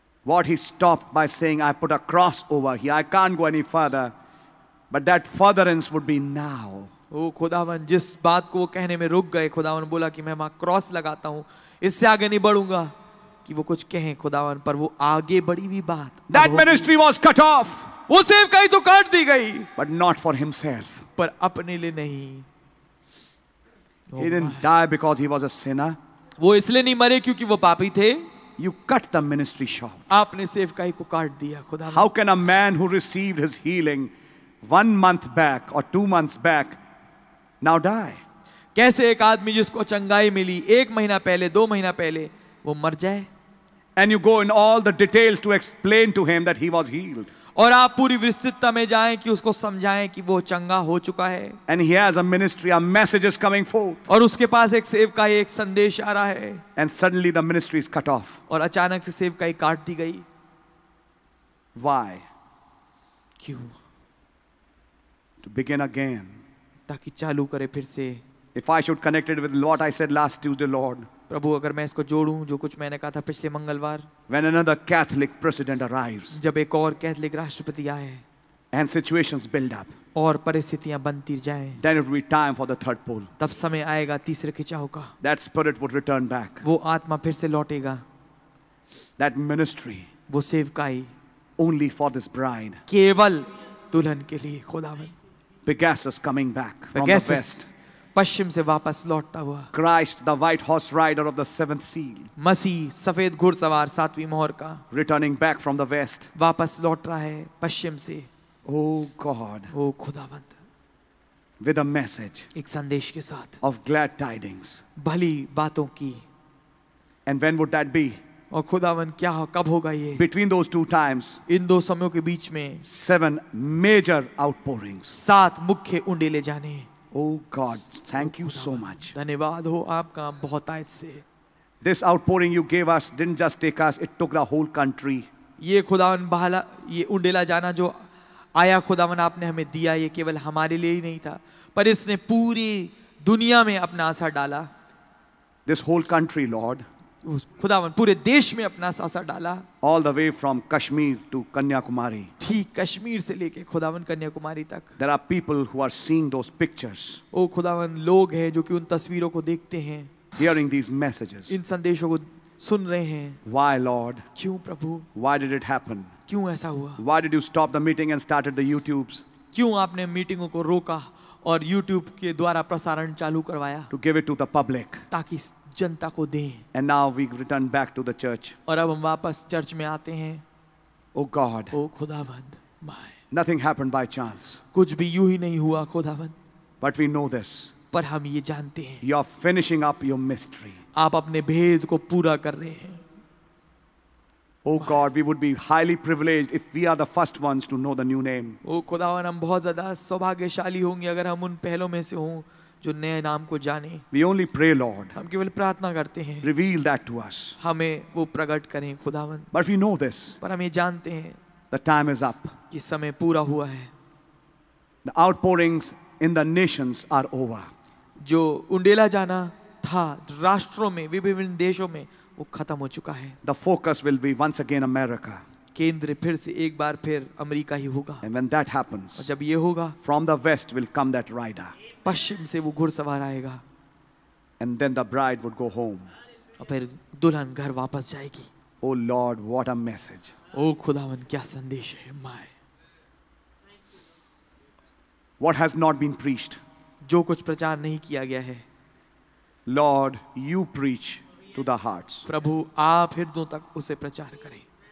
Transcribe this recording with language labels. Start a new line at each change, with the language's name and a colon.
English: What he stopped by saying, I put a cross over here. I can't go any further. But that furtherance would be now.
Hindi: Oh, खुदावन, जिस बात को वो कहने में रुक गए, खुदावन बोला कि मैं वहाँ क्रॉस लगाता हूँ. इससे आगे नहीं बढ़ूंगा कि वो कुछ कहें खुदावन, पर वो आगे बढ़ी हुई बात.
English: That ministry was cut off.
Hindi: वो सिर्फ कहीं तो काट दी गई.
English: But not for himself.
Hindi: पर अपने लिए नहीं.
English: He didn't die because he was a sinner.
Hindi: वो इसलिए नहीं मरे क्योंकि वो पापी थे.
English: You cut the ministry short.
Hindi: आपने सेवकाई को काट दिया खुदा.
English: How can a man who received his healing 1 month back or 2 months back now die?
Hindi: कैसे एक आदमी जिसको चंगाई मिली 1 महीना पहले 2 महीना पहले वो मर जाए?
English: And you go in all the details to explain to him that he was healed.
Hindi: और आप पूरी विस्तृतता में जाएं कि उसको समझाएं कि वो चंगा हो चुका है.
English: And he has a ministry, a message is coming forth.
Hindi: और उसके पास एक सेवकाई एक संदेश आ रहा है.
English: And suddenly the ministry is cut off.
Hindi: और अचानक से सेवकाई काट दी गई.
English: Why?
Hindi: क्यों?
English: To begin again.
Hindi: ताकि चालू करे फिर से.
English: If I should connect it with what I said last Tuesday, Lord.
Hindi: प्रभु अगर मैं इसको जोड़ूं जो कुछ मैंने कहा था पिछले मंगलवार.
English: When another Catholic president arrives.
Hindi: जब एक और कैथोलिक राष्ट्रपति आए.
English: And situations build up.
Hindi: और परिस्थितियां बनती जाएं.
English: Then it will be time for the third pull.
Hindi: तब समय आएगा तीसरे खिंचाव का.
English: That spirit would return back.
Hindi: वो आत्मा फिर से लौटेगा.
English: That ministry.
Hindi: वो सेवकाई.
English: Only for this bride.
Hindi: केवल दुल्हन के लिए खुदावन.
English: Pegasus coming back from the west.
Hindi: पश्चिम से वापस लौटता हुआ.
English: Christ, the white horse rider of the seventh seal.
Hindi: मसीह सफेद घुड़सवार सातवीं मोहर का.
English: Returning back from the west.
Hindi: वापस लौट रहा है पश्चिम से.
English: Oh God.
Hindi: ओ खुदावंत.
English: With a message.
Hindi: एक संदेश के साथ.
English: Of glad tidings.
Hindi: भली बातों की.
English: And when would that be?
Hindi: और खुदावंत क्या कब होगा ये?
English: Between those two times.
Hindi: इन दो समयों के बीच में.
English: 7 major outpourings.
Hindi: 7 मुख्य उंडेले जाने.
English: Oh God, thank you so much.
Hindi: धन्यवाद हो आपका बहुतायत से.
English: This outpouring you gave us didn't just take us, it took the whole country.
Hindi: ये खुदावन बहाला ये उंडेला जाना जो आया खुदावन आपने हमें दिया, ये केवल हमारे लिए ही नहीं था, पर इसने पूरी दुनिया में अपना असर डाला.
English: This whole country, Lord.
Hindi: खुदावन पूरे देश में अपना असर डाला.
English: All the way from Kashmir to Kanyakumari.
Hindi: ठीक कश्मीर से लेके खुदावन कन्याकुमारी तक.
English: There are people who are seeing those pictures.
Hindi: ओ खुदावन लोग हैं जो कि उन तस्वीरों को देखते हैं.
English: Hearing these messages.
Hindi: इन संदेशों को सुन रहे हैं.
English: Why, Lord?
Hindi: क्यों प्रभु?
English: Why did it happen?
Hindi: क्यों ऐसा हुआ?
English: Why did you stop the meeting and started the YouTubes?
Hindi: क्यों आपने मीटिंगों को रोका और YouTube के द्वारा प्रसारण चालू करवाया?
English: To give it to the public.
Hindi: ताकि जनता को दें.
English: And now we return back to the church.
Hindi: और अब हम वापस चर्च में आते हैं.
English: Oh God.
Hindi: Oh खुदावंद. my.
English: Nothing happened by chance.
Hindi: कुछ भी यूं ही नहीं हुआ खुदावन.
English: But we know this.
Hindi: पर हम ये जानते हैं.
English: You are finishing up your mystery.
Hindi: आप अपने भेद को पूरा कर रहे हैं.
English: Oh God, we would be highly privileged if we are the first ones to know the new name.
Hindi: Oh खुदावन हम बहुत ज़्यादा सौभाग्यशाली होंगे अगर हम उन पहलों में से हों जो नए नाम को जाने.
English: We only pray, Lord.
Hindi: हम केवल प्रार्थना करते हैं.
English: Reveal that to us.
Hindi: हमें वो प्रकट करें खुदावन.
English: But we know this.
Hindi: पर हम ये जानते हैं.
English: The time is up.
Hindi: कि समय पूरा हुआ है.
English: The outpourings in the nations are over.
Hindi: जो उंडेला जाना था राष्ट्रों में विभिन्न देशों में वो खत्म हो चुका है.
English: The focus will be once again America.
Hindi: केंद्र फिर से एक बार फिर अमेरिका ही होगा.
English: And when that happens,
Hindi: और जब ये होगा,
English: from the west will come that rider.
Hindi: पश्चिम से वो घुड़सवार आएगा.
English: And then the bride would go home.
Hindi: और फिर दुल्हन घर वापस जाएगी.
English: Oh Lord, what a message.
Hindi: ओ खुदावन क्या संदेश है. My
English: what has not been preached.
Hindi: जो कुछ प्रचार नहीं किया गया है.
English: Lord, you preach to the hearts.
Hindi: प्रभु आप हृदयों तक उसे प्रचार करें.